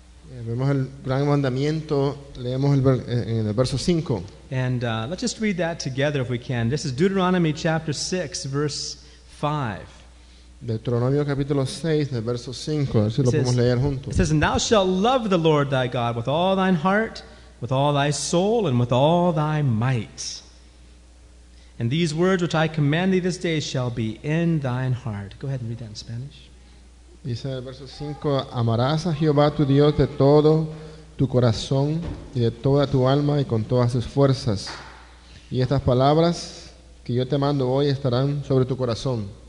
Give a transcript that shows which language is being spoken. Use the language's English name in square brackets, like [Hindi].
[Spanish] Vemos el gran mandamiento, leemos en el verso 5. [English] And let's just read that together if we can. This is Deuteronomy chapter 6, verse 5. [Spanish] Deuteronomio capítulo 6, del verso 5, a ver si lo podemos leer juntos. [English] It says, and thou shalt love the Lord thy God with all thine heart, with all thy soul, and with all thy might. And these words which I command thee this day shall be in thine heart. Go ahead and read that in Spanish. [Spanish] Dice el verso 5, amarás a Jehová tu Dios de todo tu corazón y de toda tu alma y con todas tus fuerzas. Y estas palabras que yo te mando hoy estarán sobre tu corazón.